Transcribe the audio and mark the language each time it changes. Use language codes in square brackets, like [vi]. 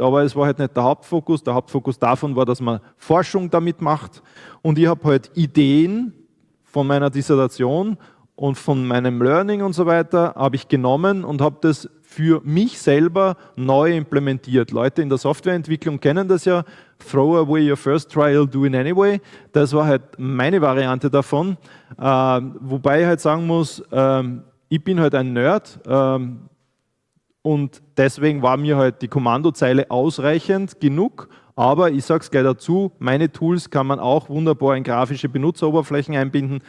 [de] Aber es war halt nicht der Hauptfokus. Der Hauptfokus davon war, dass man Forschung damit macht. Und ich habe halt Ideen von meiner Dissertation und von meinem Learning und so weiter, habe ich genommen und habe das für mich selber neu implementiert. Leute in der Softwareentwicklung kennen das ja. [en] Throw away your first trial, do it anyway. [de] Das war halt meine Variante davon. Wobei ich halt sagen muss, ich bin halt ein Nerd und deswegen war mir halt die Kommandozeile ausreichend genug. Aber ich sage es gleich dazu, meine Tools kann man auch wunderbar in grafische Benutzeroberflächen einbinden.